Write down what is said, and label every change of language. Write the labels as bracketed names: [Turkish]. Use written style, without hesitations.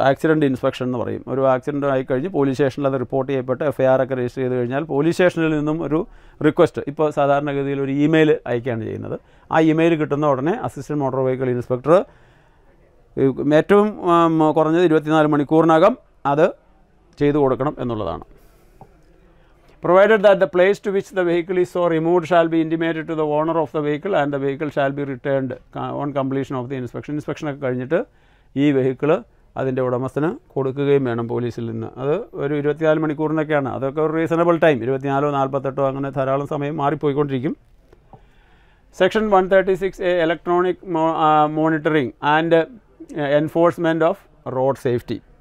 [Malayalam] Accident inspection എന്ന് പറയും. ഒരു ആക്സിഡൻ്റ് ആയിക്കഴിഞ്ഞ് പോലീസ് സ്റ്റേഷനിൽ അത് റിപ്പോർട്ട് ചെയ്യപ്പെട്ട് FIR ഒക്കെ രജിസ്റ്റർ ചെയ്ത് കഴിഞ്ഞാൽ പോലീസ് സ്റ്റേഷനിൽ നിന്നും ഒരു റിക്വസ്റ്റ്, ഇപ്പോൾ സാധാരണഗതിയിൽ ഒരു ഇമെയിൽ അയക്കുകയാണ് ചെയ്യുന്നത്. ആ ഇമെയിൽ കിട്ടുന്ന ഉടനെ അസിസ്റ്റൻറ്റ് മോട്ടോർ വെഹിക്കിൾ ഇൻസ്പെക്ടർ ഏറ്റവും കുറഞ്ഞത് 24 മണിക്കൂറിനകം അത് ചെയ്തു കൊടുക്കണം എന്നുള്ളതാണ്. [English] Provided that the place to which the vehicle is so removed shall be intimated to the owner of the vehicle and the vehicle shall be returned on completion of the inspection. [Malayalam] Inspection ഒക്കെ കഴിഞ്ഞിട്ട് ഈ vehicle അതിൻ്റെ ഉടമസ്ഥന് കൊടുക്കുകയും വേണം പോലീസിൽ നിന്ന്. അത് ഒരു 24 മണിക്കൂറിനൊക്കെയാണ്, അതൊക്കെ ഒരു റീസണബിൾ ടൈം, 24, 48 അങ്ങനെ ധാരാളം സമയം മാറിപ്പോയിക്കൊണ്ടിരിക്കും. [English] Section 136A electronic monitoring and enforcement of road safety.